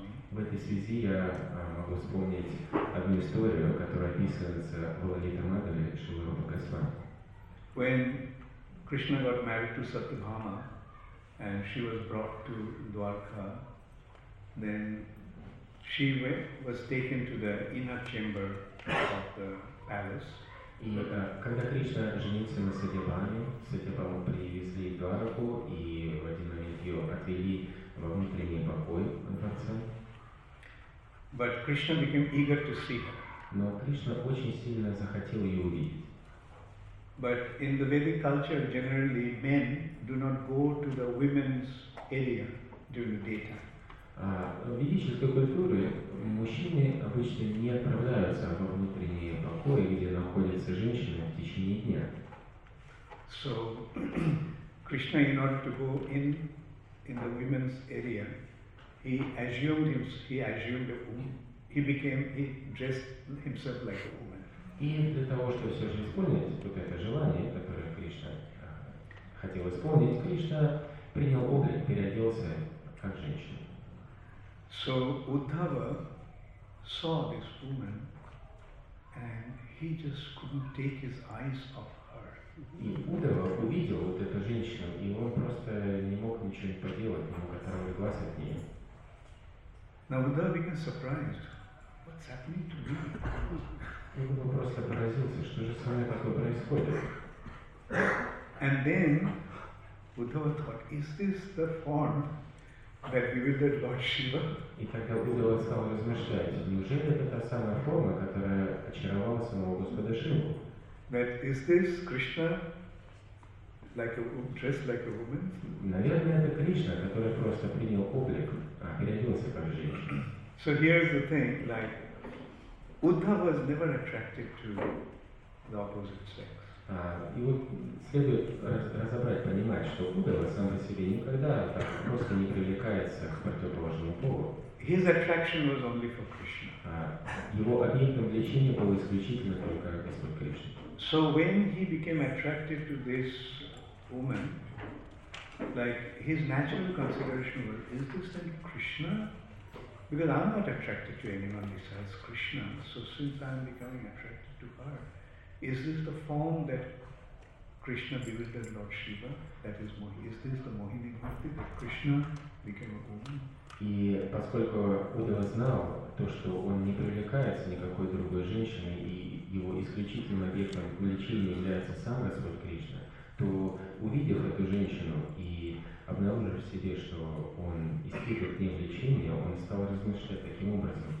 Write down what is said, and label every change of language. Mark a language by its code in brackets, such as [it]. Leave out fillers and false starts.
[ru] В этой связи я могу вспомнить одну историю, которая описывается в Лалита Мадхаве Шрилы Рупы Госвами. [en] When Krishna got married to Satyabhama and she was brought to Dwarka, then she was taken to the inner chamber of the palace. [ru] И когда Кришна женился на Сатьябхаме, Сатьябхаму привезли в Двараку и в один момент ее отвели во внутренний покой отца. [en] But Krishna became eager to see her. [ru] Но Кришна очень сильно захотел ее увидеть. [en] But in the Vedic culture, generally, men do not go to the women's area during the daytime. [ru] В ведической культуре мужчины обычно не отправляются во внутренние покои, где находятся женщины в течение дня. [en] So Krishna, in order to go in. In the women's area, he dressed himself like a woman. [ru] И для того, чтобы все же исполнить вот это желание, которое Кришна хотел исполнить, Кришна принял облик, переоделся как женщина. [en] So Uddhava saw this woman, and he just couldn't take his eyes off. [ru] И Удава увидел вот эту женщину, и он просто не мог ничего не поделать, не мог оторвать глаз от нее. [en] Now Udhava became surprised. What's happening to me? [ru] Удава просто поразился, что же с вами такое происходит. [en] And then Udhava thought, is this the form that bewildered Lord Shiva? [ru] И тогда Удава стал размышлять, неужели это та самая форма, которая очаровала самого Господа Шиву? [en] That is this Krishna, like a dressed like a woman? [ru] Наверное, это Кришна, который просто принял облик, а переоделся как женщина. [en] So here's the thing: like Uddhava was never attracted to the opposite sex. [ru] И вот следует разобрать, понимать, что Уддхава сам по себе никогда так просто не привлекается к противоположному полу. [en] His attraction was only for Krishna. [ru] Его объектом влечения было исключительно только Господь Кришна. [en] So when he became attracted to this woman, like his natural consideration was, is this then Krishna? Because I'm not attracted to anyone besides Krishna. So since I'm becoming attracted to her, is this the form that Krishna bewildered Lord Shiva? That is Mohini. Is this the Mohini Bhakti that Krishna became a woman? [ru] И поскольку Удава знал то, что он не привлекается никакой другой женщиной, и его исключительным объектом влечения является сам Господь Кришна, то увидев эту женщину и обнаружив в себе, что он испытывает к ней влечение, он стал размышлять таким образом.